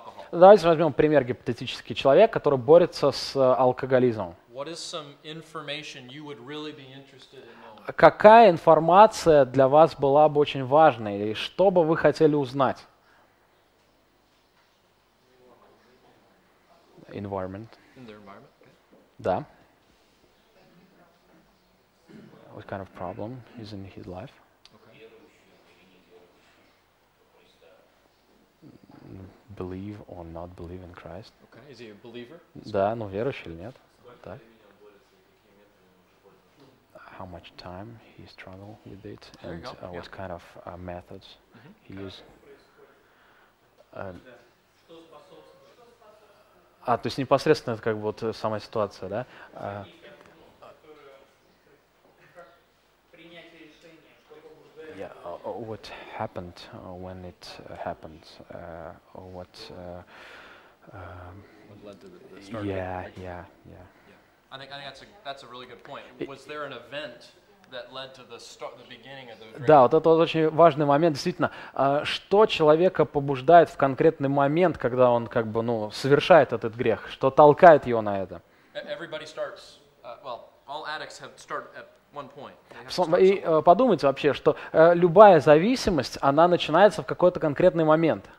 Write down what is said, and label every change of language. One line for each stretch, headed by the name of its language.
Russian: Давайте возьмем пример гипотетический. Человек, который борется с алкоголизмом.
English: What is some information you would really be interested in knowing?
Russian: Какая информация для вас была бы очень важной или что бы вы хотели узнать?
English: Environment. In their environment.
Russian: Да.
English: What kind of problem is in his life? Okay. Believe or not believe in Christ? Okay. Is he a believer?
Russian: Да, но верующий или нет? Да.
English: How much time he struggle with it and what kind of methods he use?
Russian: А, то есть непосредственно это как бы вот сама ситуация, да?
English: What happened when it happened? What? I think that's a really good point. Was there an event that led to the beginning of the?
Russian: Да, вот это вот очень важный момент, действительно. Что человека побуждает в конкретный момент, когда он как бы ну совершает этот грех? Что толкает его на это?
English: Everybody starts. Well, all addicts have started at one point.
Russian: И подумайте вообще, что любая зависимость, она начинается в какой-то конкретный момент.